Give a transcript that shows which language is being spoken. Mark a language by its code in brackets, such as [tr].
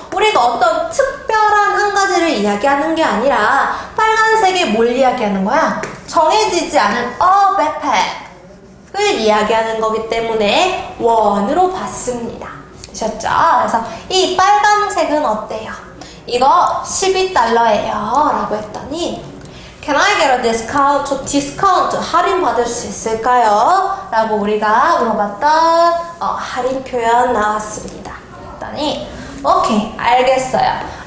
[ko] 우리가 어떤 특별한 한 가지를 이야기하는 게 아니라 빨간색이 뭘 이야기하는 거야? 정해지지 않은 a backpack을 이야기하는 거기 때문에 one으로 봤습니다. 되셨죠? 그래서 이 빨간색은 어때요? 이거 12달러예요 라고 했더니 [en] Can I get a discount? [ko] 저 디스카운트 할인 받을 수 있을까요? 라고 우리가 물어봤던 할인 표현 나왔습니다. 했더니 오케이, 알겠어요.